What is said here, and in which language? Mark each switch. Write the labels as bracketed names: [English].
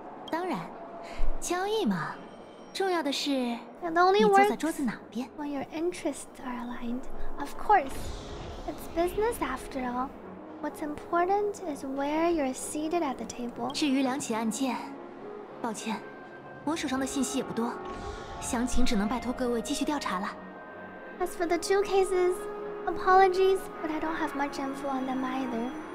[Chinese] 当然，交易嘛，重要的是 [English] It only [Chinese] 你坐在桌子哪边。 [English] When your interests are aligned. Of course, it's business after all. What's important is where you're seated at the table. [Chinese] 至于两起案件，抱歉。我手上的信息也不多，详情只能拜托各位继续调查了。 [English] As for the two cases, apologies, but I don't have much info on them either.